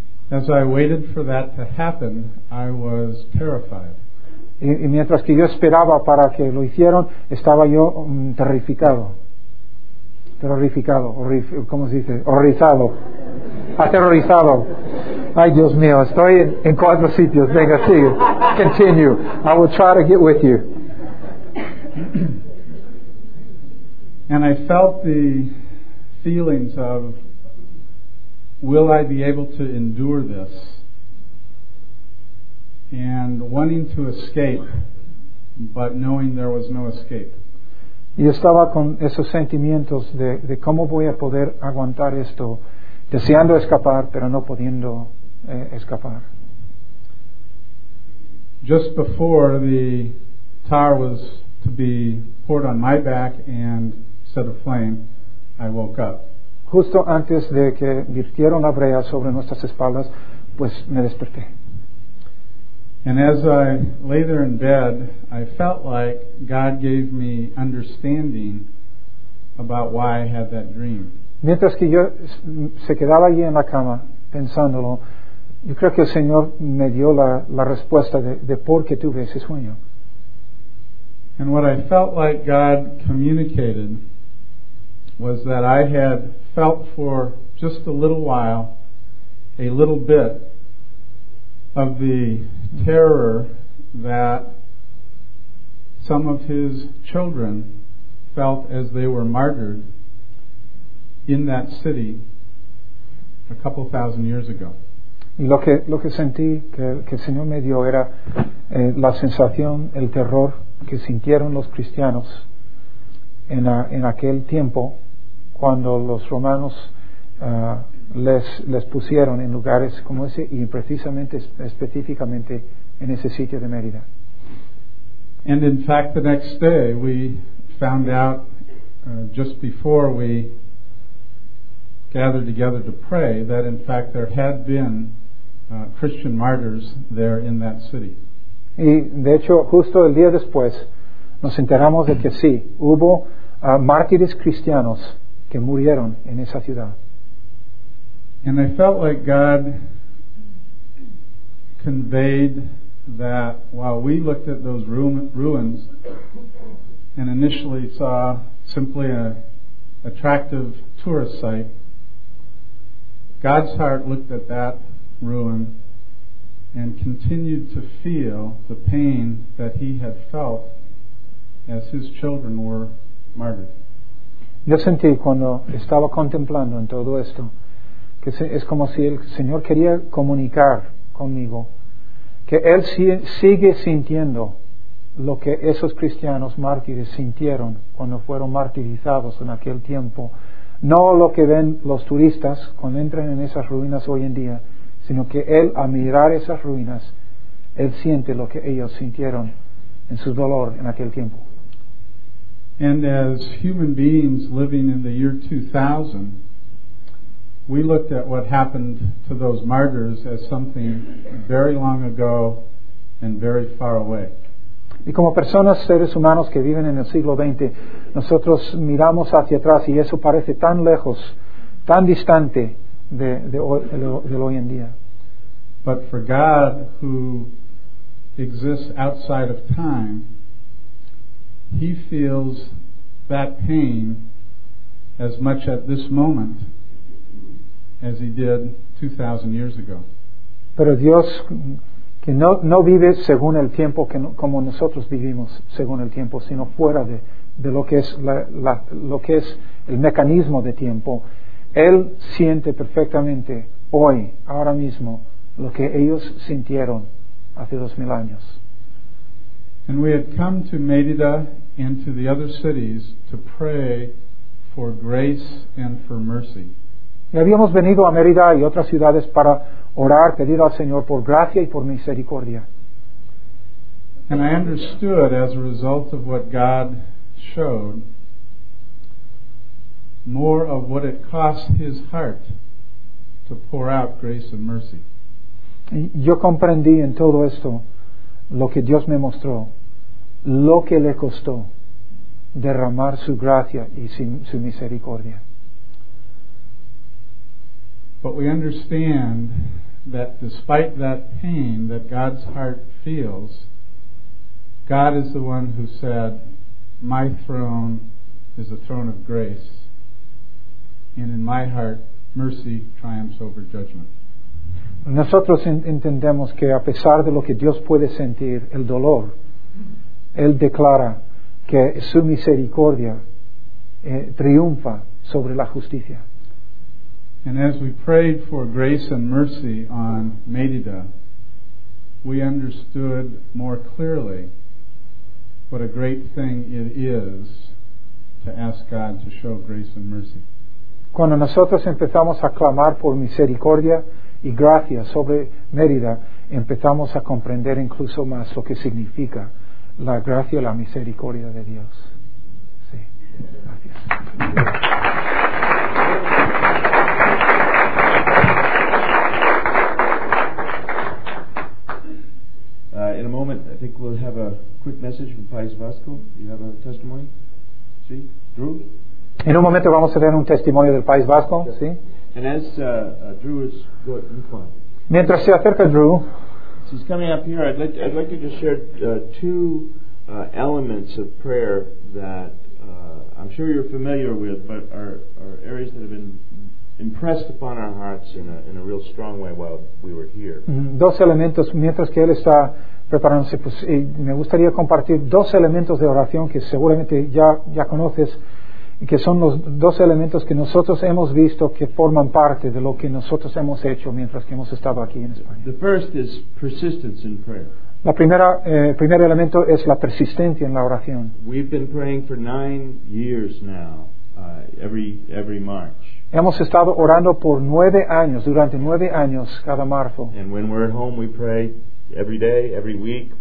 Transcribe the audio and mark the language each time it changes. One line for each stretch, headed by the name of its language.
English: As I waited for that to happen, I was terrified.
Spanish: Y mientras que yo esperaba para que lo hicieran, estaba yo aterrorizado. Ay, Dios mío, estoy en cuatro sitios. Venga, sigue.
English: Continue. I will try to get with you. And I felt the feelings of, will I be able to endure this? And wanting to escape, but knowing there was no escape.
Spanish: Y estaba con esos sentimientos de cómo voy a poder aguantar esto, deseando escapar, pero no pudiendo escapar.
English: Just before the tar was to be poured on my back and set aflame, I woke up.
Spanish: Justo antes de que vertieron la brea sobre nuestras espaldas, pues me desperté.
English: And as I lay there in bed, I felt like God gave me understanding about why I had that dream.
Spanish: Mientras que yo se quedaba allí en la cama pensándolo, yo creo que el Señor me dio la respuesta de por qué tuve ese sueño.
English: And what I felt like God communicated was that I had felt for just a little while, a little bit of the terror that some of his children felt as they were martyred in that city a couple thousand years ago.
Spanish: Y lo que sentí que el Señor me dio era la sensación, el terror que sintieron los cristianos en aquel tiempo cuando los romanos les pusieron en lugares como ese y precisamente específicamente en ese sitio de Mérida.
English: And in fact, the next day we found out just before we gathered together to pray that in fact there had been Christian martyrs there in that city.
Spanish: Y de hecho, justo el día después, nos enteramos de que sí, hubo mártires cristianos que murieron en esa ciudad.
English: And I felt like God conveyed that while we looked at those ruins and initially saw simply an attractive tourist site, God's heart looked at that ruin and continued to feel the pain that he had felt as his children were martyred.
Spanish: Yo sentí cuando estaba contemplando en todo esto que es como si el Señor quería comunicar conmigo que Él sigue sintiendo lo que esos cristianos mártires sintieron cuando fueron martirizados en aquel tiempo. No lo que ven los turistas cuando entran en esas ruinas hoy en día, sino que Él, al mirar esas ruinas, Él siente lo que ellos sintieron en su dolor en aquel tiempo.
English: And as human beings living in the year 2000, we looked at what happened to those martyrs as something very long ago and very far away.
Spanish: Y como personas, seres humanos que viven en el siglo XX, nosotros miramos hacia atrás y eso parece tan lejos, tan distante de hoy en día.
English: But for God, who exists outside of time, he feels that pain as much at this moment as he did 2,000 years ago.
Spanish: Pero Dios, que no vive según el tiempo que no, como nosotros vivimos según el tiempo, sino fuera de lo que es lo que es el mecanismo de tiempo, Él siente perfectamente hoy, ahora mismo, lo que ellos sintieron hace 2,000 años.
English: And we had come to Mérida and to the other cities to pray for grace and for mercy.
Spanish: Y habíamos venido a Mérida y otras ciudades para orar, pedir al Señor por gracia y por misericordia.
English: And I understood, as a result of what God showed, more of what it cost his heart to pour out grace and mercy.
Spanish: Y yo comprendí en todo esto lo que Dios me mostró, lo que le costó derramar su gracia y su misericordia.
English: But we understand that despite that pain that God's heart feels, God is the one who said, "My throne is a throne of grace, and in my heart mercy triumphs over judgment."
Spanish: Nosotros entendemos que a pesar de lo que Dios puede sentir, el dolor, Él declara que su misericordia triunfa sobre la justicia.
English: And as we prayed for grace and mercy on Mérida, we understood more clearly what a great thing it is to ask God to show grace and mercy.
Spanish: Cuando nosotros empezamos a clamar por misericordia y gracia sobre Mérida, empezamos a comprender incluso más lo que significa la gracia y la misericordia de Dios. Sí. Gracias.
English: In a moment, I think we'll have a quick message from Pais Vasco. You have a testimony?
Spanish: Sí.
English: Drew?
Spanish: En un momento vamos a tener un testimonio del Pais Vasco.
English: Yes.
Spanish: Sí.
English: And as Drew is going on.
Spanish: Mientras se acerca Drew.
English: He's coming up here. I'd like to just share two elements of prayer that I'm sure you're familiar with, but are areas that have been impressed upon our hearts in a real strong way while we were here.
Spanish: Dos elementos mientras que él está preparándose, pues me gustaría compartir dos elementos de oración que seguramente ya conoces, que son los dos elementos que nosotros hemos visto que forman parte de lo que nosotros hemos hecho mientras que hemos estado aquí en España.
English: The first is persistence in prayer.
Spanish: La primera primer elemento es la persistencia en la oración.
English: We've been praying for 9 years now, every March.
Spanish: Hemos estado orando por 9 años, durante 9 años cada marzo.
English: And when we're at home, we pray every day, every week.